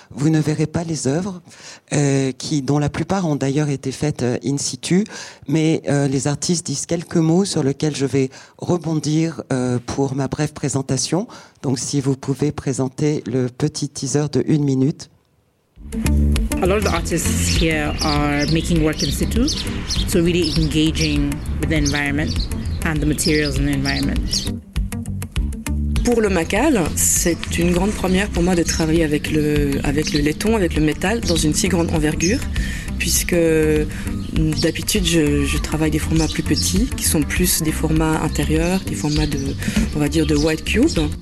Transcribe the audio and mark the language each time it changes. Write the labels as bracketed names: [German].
[French] Vous ne verrez pas les œuvres, dont la plupart ont d'ailleurs été faites in situ, mais les artistes disent quelques mots sur lesquels je vais rebondir pour ma brève présentation. Donc si vous pouvez présenter le petit teaser de 1 minute. [English] A lot of the artists here are making work in situ, so really engaging with the environment and the materials in the environment. [French] Pour le MACAL, c'est une grande première pour moi de travailler avec le laiton, avec le métal, dans une si grande envergure, puisque d'habitude je travaille des formats plus petits, qui sont plus des formats intérieurs, des formats de, on va dire, de white cube.